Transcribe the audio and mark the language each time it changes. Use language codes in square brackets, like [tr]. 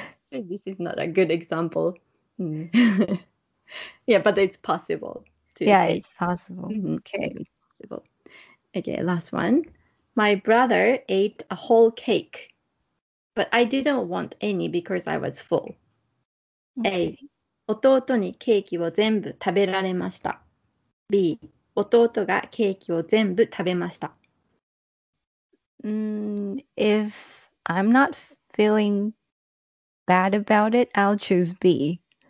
[en] This is not a good example. Yeah, but it's possible to yeah, say. It's possible. Okay. It's possible. Okay, last one. My brother ate a whole cake, but I didn't want any because I was full. Okay. A. [ja] 弟にケーキを全部食べられました。 [en] B. [ja] 弟がケーキを全部食べました。 [en] If I'm not feeling bad about it, I'll choose B.